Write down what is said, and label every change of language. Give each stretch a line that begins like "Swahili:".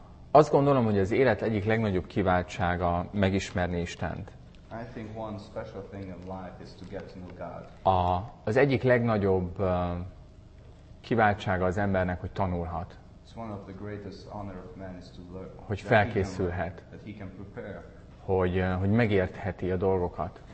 Hungarian: Azt gondolom, hogy az élet egyik legnagyobb kiváltsága megismerni Istent.
English: I think one special thing in life is to get to know God.
Hungarian: Az egyik legnagyobb kiváltsága az embernek, hogy tanulhat.
English: It's one of the greatest honor of man is to learn.
Hungarian: Hogy felkészülhet.
English: That he can prepare.
Hungarian: hogy megértheti a dolgokat.